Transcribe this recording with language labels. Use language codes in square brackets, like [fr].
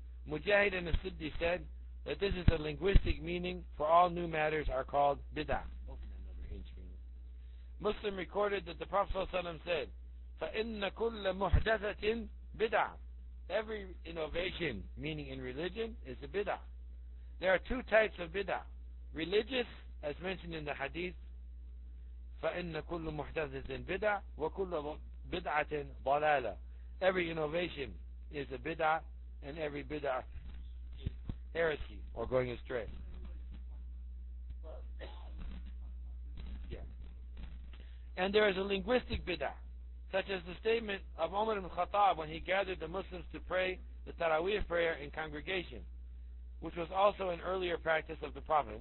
[en] Mujahid and As-Siddi said that this is a linguistic meaning for all new matters are called bid'ah. Muslim recorded that the Prophet ﷺ said, [ar] فَإِنَّ كُلَّ مُحْدَثَةٍ بِدْعَةٍ. [en] Every innovation, meaning in religion, is a bid'ah. There are two types of bid'ah. Religious, as mentioned in the hadith, [ar] فَإِنَّ كُلُّ مُحْدَثَةٍ بِدْعَةٍ وَكُلَّ بِدْعَةٍ ضَلَالَةٍ. [en] Every innovation is a bid'ah, and every bid'ah is heresy, or going astray. And there is a linguistic bid'ah. such as the statement of Umar ibn Khattab when he gathered the Muslims to pray the Taraweeh prayer in congregation, which was also an earlier practice of the Prophet.